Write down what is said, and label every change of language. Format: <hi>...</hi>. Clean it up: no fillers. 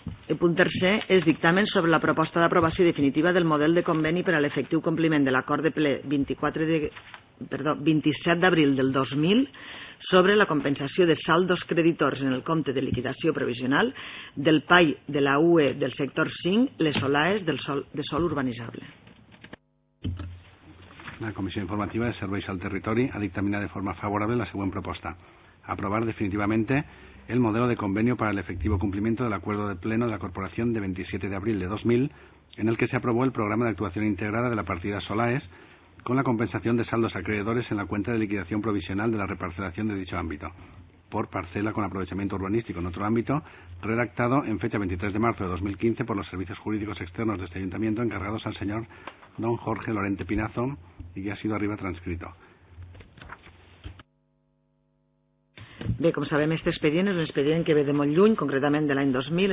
<ca>El punt tercer és dictamen sobre la proposta d'aprovació definitiva del model de conveni per a l'efectiu compliment de l'acord de ple 27 d'abril del 2000 sobre la compensació de saldos creditors en el compte de liquidació provisional del PAI de la UE del sector 5, les OLAES de sol urbanitzable. La Comissió Informativa de Serveis al Territori ha dictaminat de forma favorable la següent proposta.</ca> <es>Aprovar definitivamente el modelo de convenio para el efectivo cumplimiento del acuerdo de pleno de la Corporación de 27 de abril de 2000, en el que se aprobó el programa de actuación integrada de la partida SOLAES con la compensación de saldos acreedores en la cuenta de liquidación provisional de la reparcelación de dicho ámbito, por parcela con aprovechamiento urbanístico en otro ámbito, redactado en fecha 23 de marzo de 2015 por los servicios jurídicos externos de este ayuntamiento encargados al señor don Jorge Lorente Pinazo y que ha sido arriba transcrito.</es> <ca>Bé, com sabem, aquest expedient és un expedient que ve de molt lluny, concretament de l'any 2000.</ca>